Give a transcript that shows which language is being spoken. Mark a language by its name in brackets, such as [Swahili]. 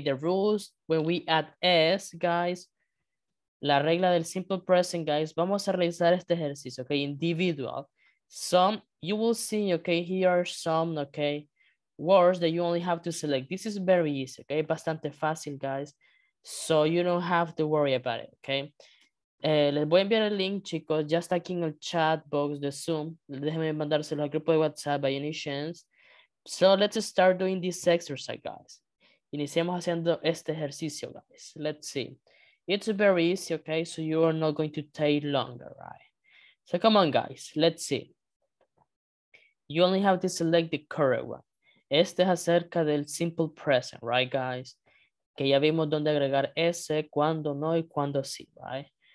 [English] The rules when we add S, [Spanish] guys, la regla del simple present, guys, vamos a realizar este ejercicio, okay? Individual. [English] Some, you will see, okay, here are some, okay, words that you only have to select. This is very easy, okay? [Spanish] Bastante fácil, [English] guys. So you don't have to worry about it, okay? [Spanish] Les voy a enviar el link, chicos. Ya está aquí en el chat box de Zoom. Déjenme mandárselo al grupo de WhatsApp, [English] by any chance. So let's start doing this exercise, guys. [Spanish] Iniciamos haciendo este ejercicio, [English] guys. Let's see. It's very easy, okay? So you are not going to take longer, right? So come on, guys. Let's see. You only have to select the correct one. [Spanish] Este es acerca del simple present, right, guys? Que ya vimos dónde agregar ese, cuándo no y cuándo sí, right?